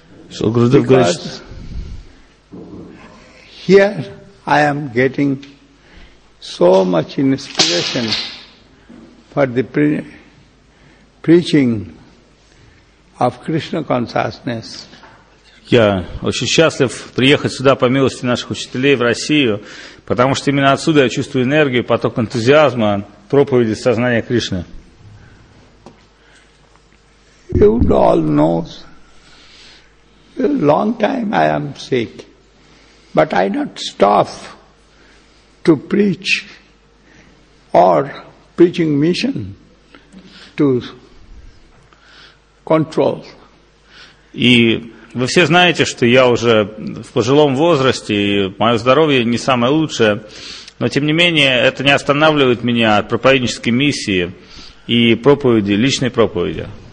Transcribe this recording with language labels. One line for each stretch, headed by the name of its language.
English: So, Gurudev Gurist. Here I am getting so much inspiration for the preaching of Krishna consciousness.
Russian: Я очень счастлив приехать сюда по милости наших учителей в Россию, потому что именно отсюда я чувствую энергию, поток энтузиазма, проповеди сознания Кришны.
English: You all know, a long time I am sick, but I not stop to preach or preaching mission to control.
Russian: И вы все знаете, что я уже в пожилом возрасте, и мое здоровье не самое лучшее, но тем не менее это не останавливает меня от проповеднической миссии и проповеди, личной проповеди.